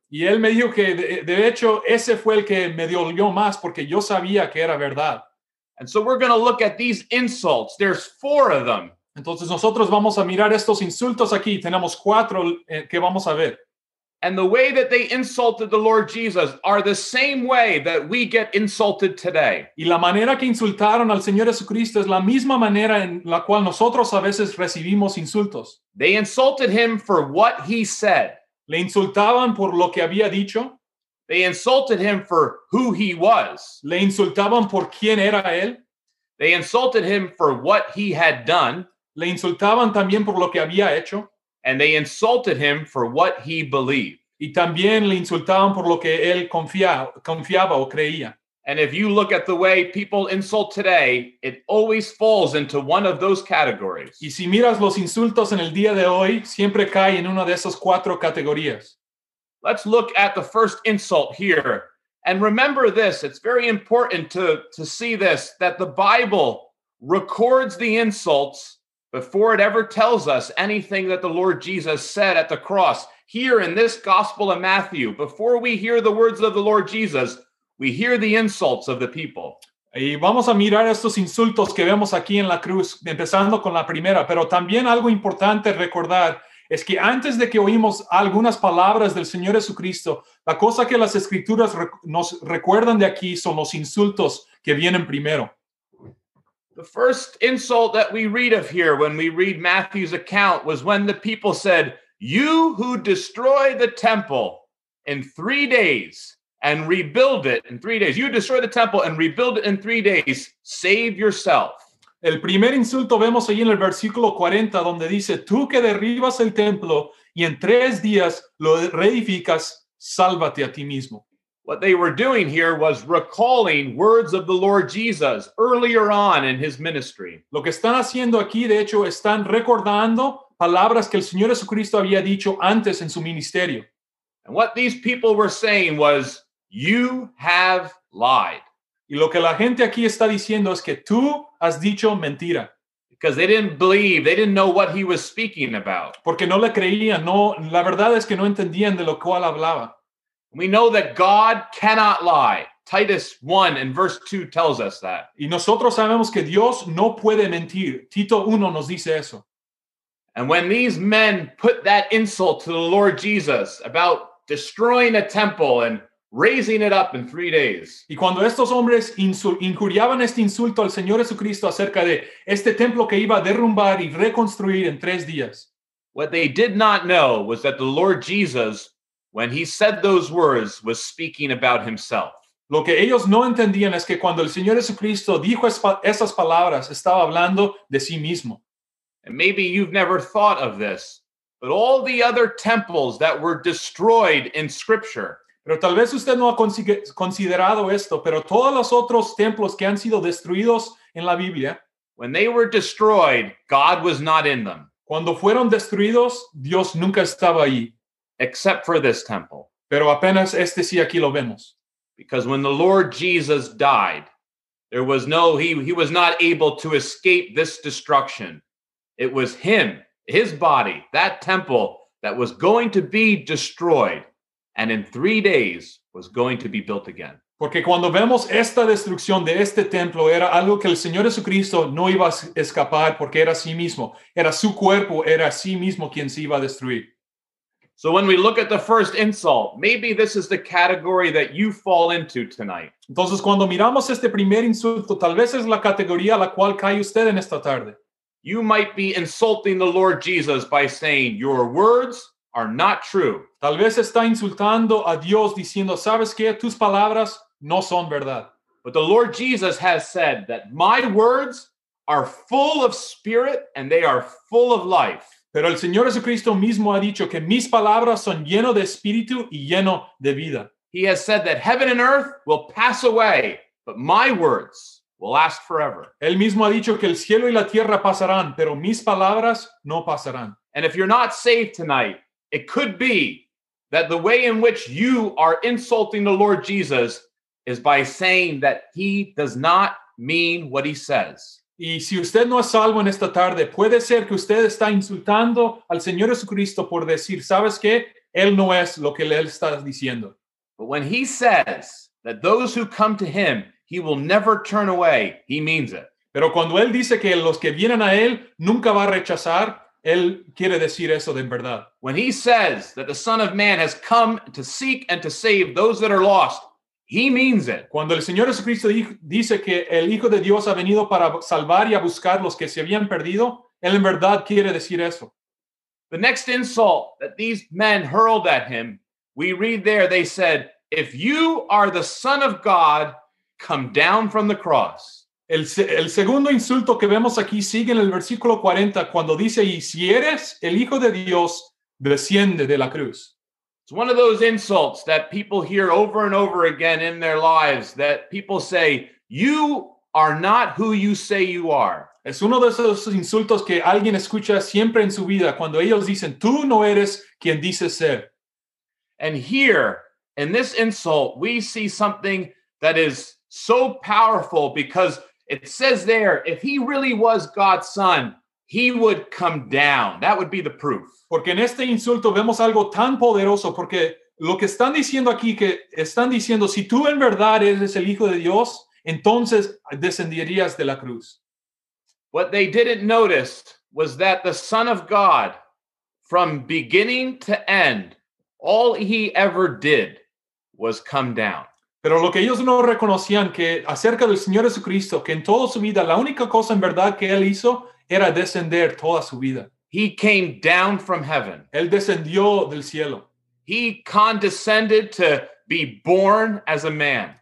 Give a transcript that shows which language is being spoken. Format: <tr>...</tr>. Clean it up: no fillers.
<es>Y él me dijo que de hecho ese fue el que me dolió más porque yo sabía que era verdad.</es> <en>And so we're going to look at these insults. There's four of them.</en> <es>Entonces nosotros vamos a mirar estos insultos aquí. Tenemos cuatro que vamos a ver.</es> <en>And the way that they insulted the Lord Jesus are the same way that we get insulted today.</en> <es>Y la manera que insultaron al Señor Jesucristo es la misma manera en la cual nosotros a veces recibimos insultos.</es> <en>They insulted him for what he said.</en> <es>Le insultaban por lo que había dicho.</es> <en>They insulted him for who he was.</en> <es>Le insultaban por quién era él.</es> <en>They insulted him for what he had done.</en> <es>Le insultaban también por lo que había hecho.</es> <en>And they insulted him for what he believed.</en> <es>Y también le insultaban por lo que él confiaba o creía.</es> <en>And if you look at the way people insult today, it always falls into one of those categories.</en> <es>Y si miras los insultos en el día de hoy, siempre cae en una de esas cuatro categorías.</es> <en>Let's look at the first insult here. And remember this, it's very important to see this, that the Bible records the insults before it ever tells us anything that the Lord Jesus said at the cross. Here in this Gospel of Matthew, before we hear the words of the Lord Jesus, we hear the insults of the people.</en> <es>Y vamos a mirar estos insultos que vemos aquí en la cruz, empezando con la primera. Pero también algo importante recordar es que antes de que oímos algunas palabras del Señor Jesucristo, la cosa que las Escrituras nos recuerdan de aquí son los insultos que vienen primero.</es> <en>The first insult that we read of here when we read Matthew's account was when the people said, "You who destroy the temple in 3 days and rebuild it in 3 days, you destroy the temple and rebuild it in 3 days, save yourself."</en> <es>El primer insulto vemos ahí en el versículo 40, donde dice, "Tú que derribas el templo y en 3 días lo reedificas, sálvate a ti mismo."</es> <en>What they were doing here was recalling words of the Lord Jesus earlier on in his ministry.</en> <es>Lo que están haciendo aquí, de hecho, están recordando palabras que el Señor Jesucristo había dicho antes en su ministerio.</es> <en>And what these people were saying was, "You have lied."</en> <es>Y lo que la gente aquí está diciendo es que tú has dicho mentira.</es> <en>Because they didn't believe, they didn't know what he was speaking about.</en> <es>Porque no le creían, no, la verdad es que no entendían de lo cual hablaba.</es> <en>We know that God cannot lie. Titus 1 and verse 2 tells us that.</en> <es>Y nosotros sabemos que Dios no puede mentir. Tito 1 nos dice eso.</es> <en>And when these men put that insult to the Lord Jesus about destroying a temple and raising it up in 3 days.</en> <es>Y cuando estos hombres injuriaban este insulto al Señor Jesucristo acerca de este templo que iba a derrumbar y reconstruir en 3 días.</es> <en>What they did not know was that the Lord Jesus, when he said those words, was speaking about himself.</en> <es>Lo que ellos no entendían es que cuando el Señor Jesucristo dijo esas palabras, estaba hablando de sí mismo.</es> <en>And maybe you've never thought of this, but all the other temples that were destroyed in Scripture.</en> <es>Pero tal vez usted no ha considerado esto, pero todos los otros templos que han sido destruidos en la Biblia.</es> <en>When they were destroyed, God was not in them.</en> <es>Cuando fueron destruidos, Dios nunca estaba ahí.</es> <en>Except for this temple.</en> <es>Pero apenas este sí aquí lo vemos.</es> <en>Because when the Lord Jesus died, there was no, he was not able to escape this destruction. It was him, his body, that temple that was going to be destroyed and in 3 days was going to be built again.</en> <es>Porque cuando vemos esta destrucción de este templo, era algo que el Señor Jesucristo no iba a escapar porque era sí mismo. Era su cuerpo, era sí mismo quien se iba a destruir.</es> <en>So when we look at the first insult, maybe this is the category that you fall into tonight.</en> <es>Entonces, cuando miramos este primer insulto, tal vez es la categoría a la cual cae usted en esta tarde.</es> <en>You might be insulting the Lord Jesus by saying, "Your words are not true."</en> <es>Tal vez está insultando a Dios diciendo, "¿Sabes qué? Tus palabras no son verdad."</es> <en>But the Lord Jesus has said that my words are full of spirit and they are full of life.</en> <es>Pero el Señor Jesucristo mismo ha dicho que mis palabras son lleno de espíritu y lleno de vida.</es> <en>He has said that heaven and earth will pass away, but my words will last forever.</en> <es>Él mismo ha dicho que el cielo y la tierra pasarán, pero mis palabras no pasarán.</es> <en>And if you're not saved tonight, it could be that the way in which you are insulting the Lord Jesus is by saying that he does not mean what he says.</en> <es>Y si usted no es salvo en esta tarde, puede ser que usted está insultando al Señor Jesucristo por decir, ¿sabes qué? Él no es lo que él está diciendo.</es> <en>But when he says that those who come to him, he will never turn away, he means it.</en> <es>Pero cuando él dice que los que vienen a él nunca va a rechazar, él quiere decir eso de verdad.</es> <en>When he says that the Son of Man has come to seek and to save those that are lost, he means it.</en> <es>Cuando el Señor Jesucristo dice que el Hijo de Dios ha venido para salvar y a buscar los que se habían perdido, él en verdad quiere decir eso.</es> <en>The next insult that these men hurled at him, we read there, they said, if you are the Son of God, come down from the cross.</en> <es>El segundo insulto que vemos aquí sigue en el versículo 40, cuando dice, y si eres el Hijo de Dios, desciende de la cruz.</es> <en>It's one of those insults that people hear over and over again in their lives, that people say, you are not who you say you are.</en> <es>Es uno de esos insultos que alguien escucha siempre en su vida, cuando ellos dicen, tú no eres quien dices ser.</es> <en>And here, in this insult, we see something that is so powerful, because it says there, if he really was God's son, he would come down. That would be the proof.</en> <es>Porque en este insulto vemos algo tan poderoso, porque lo que están diciendo aquí, que están diciendo, si tú en verdad eres el Hijo de Dios, entonces descenderías de la cruz.</es> <en>What they didn't notice was that the Son of God, from beginning to end, all he ever did was come down.</en> <es>Pero lo que ellos no reconocían que acerca del Señor Jesucristo, que en toda su vida, la única cosa en verdad que él hizo era descender toda su vida.</es> <en>He came down from heaven.</en> <es>Él descendió del cielo.</es> <en>He condescended to be born as a man.</en>